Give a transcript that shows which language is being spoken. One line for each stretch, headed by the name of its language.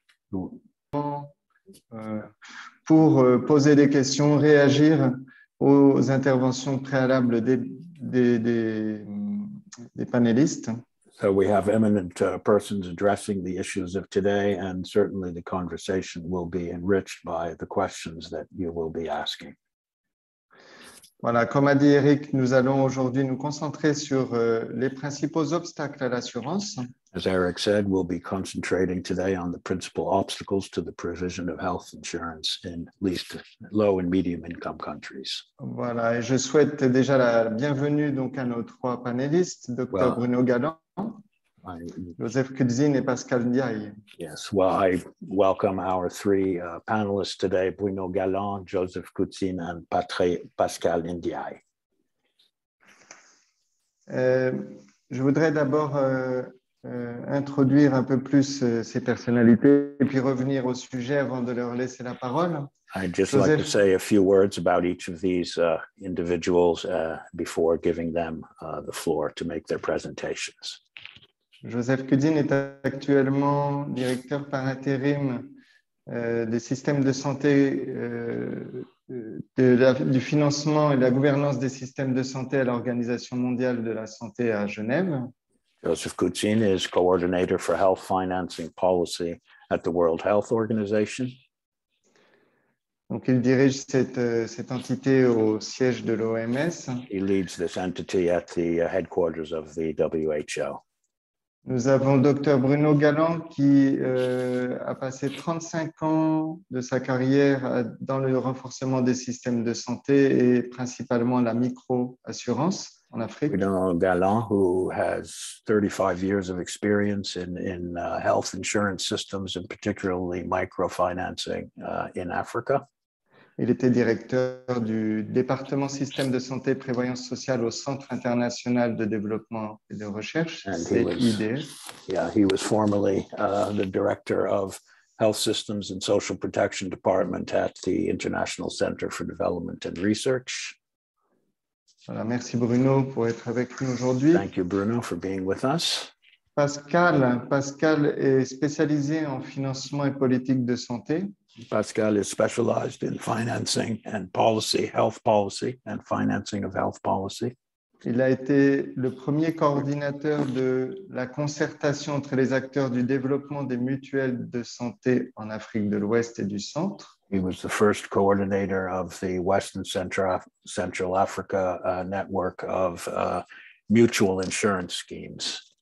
French: pour poser des questions, réagir aux interventions préalables des panélistes.
English: So we have eminent persons addressing the issues of today, and certainly the conversation will be enriched by the questions that you will be asking.
French: Voilà, comme a dit Eric, nous allons aujourd'hui nous concentrer sur les principaux obstacles à l'assurance.
English: As Eric said, we'll be concentrating today on the principal obstacles to the provision of health insurance in least low and medium income countries.
French: Voilà, et je souhaite déjà la bienvenue donc à nos trois panélistes, Dr. Bruno Galland. Joseph Kudzin et Pascal Ndiaye.
English: Yes, well, I welcome our three panelists today, Bruno Galland, Joseph Kudzin, and Pascal Ndiaye.
French: Je voudrais d'abord introduire un peu plus ces personnalités et puis revenir au sujet avant de leur laisser la parole.
English: I'd just Joseph... like to say a few words about each of these individuals before giving them the floor to make their presentations.
French: Joseph Kudzin est actuellement directeur par intérim des systèmes de santé, du financement et de la gouvernance des systèmes de santé à l'Organisation mondiale de la santé à Genève.
English: Joseph Kudzin is coordinator for health financing policy at the World Health Organization.
French: Donc, il dirige cette entité au siège de l'OMS.
English: He leads this entity at the headquarters of the WHO.
French: Nous avons Dr. Bruno Galland qui a passé 35 ans de sa carrière dans le renforcement des systèmes de santé et principalement la micro-assurance en Afrique.
English: Bruno Galland, who has 35 years of experience in health insurance systems and particularly microfinancing in Africa.
French: Il était directeur du département système de santé et prévoyance sociale au Centre international de développement et de recherche, CIDR.
English: Yeah, he was formerly the director of health systems and social protection department at the International Center for Development and Research.
French: Voilà, merci Bruno pour être avec nous aujourd'hui.
English: Thank you Bruno for being with us.
French: Pascal est spécialisé en financement et politique de santé.
English: Pascal is specialized in financing and policy, health policy and financing of health policy.
French: Il a été le premier coordinateur de la concertation entre les acteurs du développement des mutuelles de santé en Afrique de l'Ouest et du Centre.
English: He was the first coordinator of the Western Central Africa network of mutual insurance schemes.